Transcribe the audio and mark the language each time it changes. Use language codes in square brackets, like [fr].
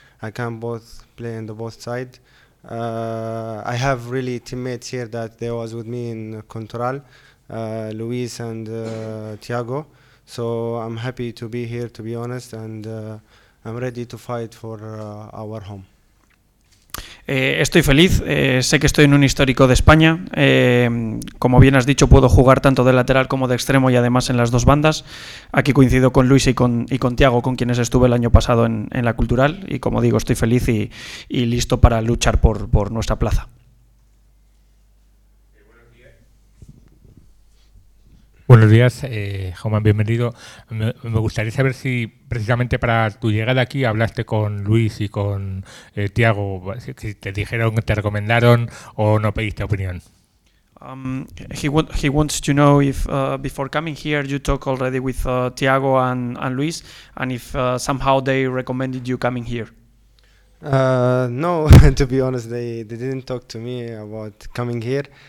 [en] I can both play on the both side. I have really teammates here that they was with me in Contral, Luis and Thiago. So I'm happy to be here, to be honest, and I'm ready to fight for our home. [es] Estoy feliz, sé que estoy en un histórico de España. Como bien has dicho, puedo jugar tanto de lateral como de extremo y además en las dos bandas. Aquí coincido con Luis y con Thiago, con quienes estuve el año pasado en la cultural. Y como digo, estoy feliz y listo para luchar por nuestra plaza. Buenos días, Homan, bienvenido. Me gustaría saber si precisamente para tu llegada aquí hablaste con Luis y con Thiago, si te dijeron, te recomendaron o no pediste opinión. [en] He wants to know if before coming here you talked already with Thiago and Luis, and if somehow they recommended you coming here. No, to be honest, they didn't talk to me about coming here.